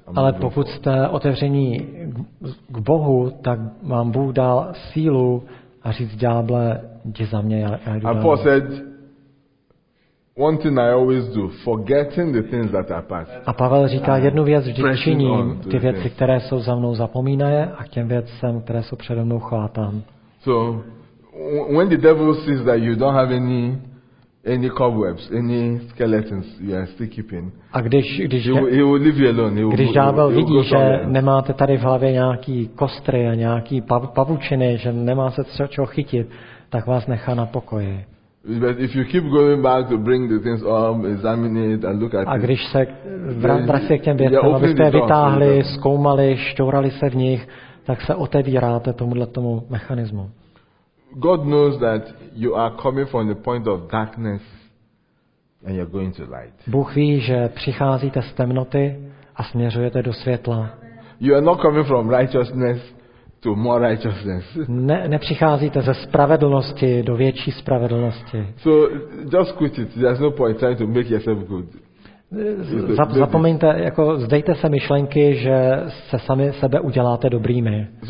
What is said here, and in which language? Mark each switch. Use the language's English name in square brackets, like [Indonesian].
[Czech] Ale pokud jste otevření k Bohu, tak vám Bůh dal sílu a říct ďáble, jdi za mě. [English] And Paul said, one thing I always do, forgetting the things that are past. [Czech] A Pavel říká, jednu věc vždy činím, ty věci, které jsou za mnou, zapomínaje, a k těm věcem, které jsou přede mnou, chvátám. [English] So when the devil sees that you don't have any cobwebs, any skeletons you are still keeping. [Czech] A když [English] he will leave you alone. [Czech] Když ďábel vidí, že nemáte tady v hlavě nějaký kostry a nějaký pavučiny, že nemá se čeho chytit, tak vás nechá na pokoji. [English] But if you keep going back to bring the things up, examine it and look at it. [Czech] A když se vracíte k těm věcem, abyste je vytáhli, zkoumali, šťourali se v nich, tak se otevíráte tomuhle tomu mechanismu. [English] God knows that you are coming from the point of darkness and you're going to light. [Czech] Bůh ví, že přicházíte z temnoty a směřujete do světla. [English] You are not coming from righteousness to more righteousness. [Czech] Nepřicházíte ze spravedlnosti do větší spravedlnosti. [English] So just quit it. There's no point trying to make yourself good. [Czech] Zapomeňte, jako zdejte se myšlenky, že se sami sebe uděláte dobrými.